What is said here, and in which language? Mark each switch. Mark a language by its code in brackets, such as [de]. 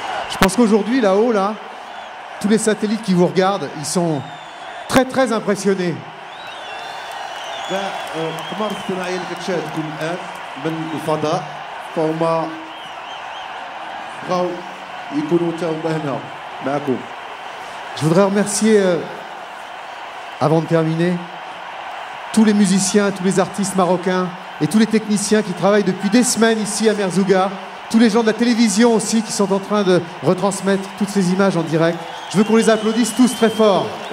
[fr] Je pense qu'aujourd'hui, là-haut, là, tous les satellites qui vous regardent, ils sont très, très impressionnés. [ar] القمر الصناعي اللي كتشاهدكم الان من الفضاء فهما بغاو يكونوا حتى هما هنا معكم. [fr] Je voudrais remercier avant de terminer tous les musiciens, tous les artistes marocains et tous les techniciens qui travaillent depuis des semaines ici à Merzouga, tous les gens de la télévision aussi qui sont en train de retransmettre toutes ces images en direct. Je veux qu'on les applaudisse tous très fort.